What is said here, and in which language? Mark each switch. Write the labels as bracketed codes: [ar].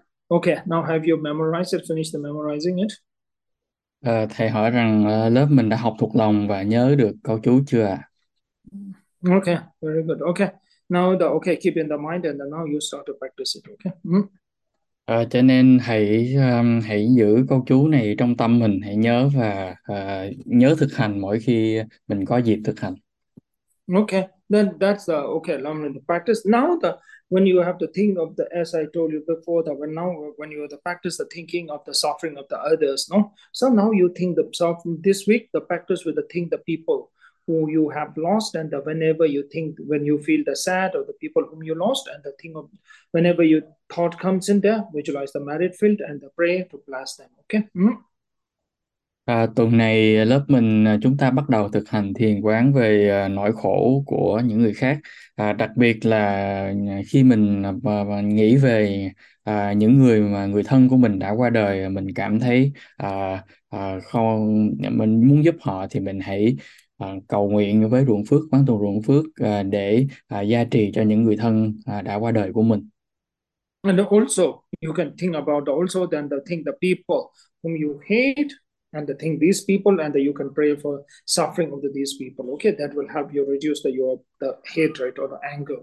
[en] Okay, now have you memorized it, finished memorizing it? [vi] Thầy hỏi rằng lớp mình đã học thuộc lòng và nhớ được câu chú chưa ạ? [en] Okay, very good. Okay, now the okay, keep in the mind and then now you start to practice it. Okay. [vi] Cho nên hãy giữ câu chú này trong tâm mình, hãy nhớ và nhớ thực hành mỗi khi mình có dịp thực hành. [en] Okay, then that's okay. Now in the practice. Now the when you have to think of the, as I told you before, that when now when you have to practice the thinking of the suffering of the others, no. So now you think the suffering this week, the practice with the think the people who you have lost, and the, whenever you think when you feel the sad or the people whom you lost, and the thing of whenever your thought comes in there, visualize the merit field and the prayer to bless them. Okay. [vi] Tuần này lớp mình chúng ta bắt đầu thực hành thiền quán về nỗi khổ của những người khác, đặc biệt là khi mình nghĩ về những người mà người thân của mình đã qua đời, mình cảm thấy không mình muốn giúp họ thì mình hãy cầu nguyện với ruộng phước, quán tù ruộng phước để gia trì cho những người thân đã qua đời của mình. [en] And also, you can think about also then the thing, the people whom you hate, and the thing, these people, and the, you can pray for suffering of the, these people. Okay, that will help you reduce the, your the hatred or the anger.